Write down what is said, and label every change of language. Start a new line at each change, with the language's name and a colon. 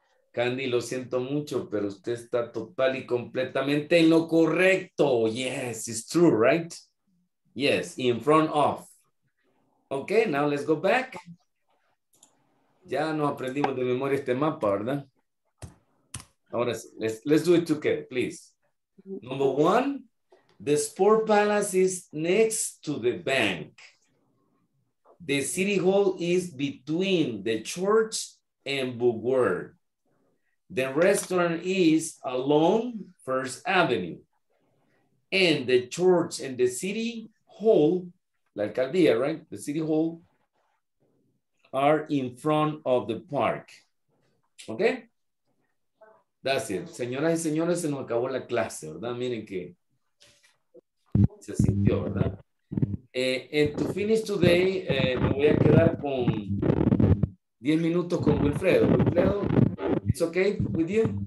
Spanish: Candy, lo siento mucho, pero usted está total y completamente en lo correcto.
English: Yes, it's true, right? Yes, in front of. Okay, now let's go back.
Spanish: Ya no aprendimos de memoria este mapa, ¿verdad? Ahora sí,
English: let's do it together, please. Number one, the Sport Palace is next to the bank. The City Hall is between the church and Bookworld. The restaurant is along First Avenue. And the church and the city hall,
Spanish: la alcaldía,
English: right? The city hall are in front of the park. Okay? That's it.
Spanish: Señoras y señores, se nos acabó la clase, ¿verdad? Miren que se sintió, ¿verdad?
English: And to finish today,
Spanish: me voy a quedar con 10 minutos con Wilfredo.
English: Wilfredo, it's okay with you?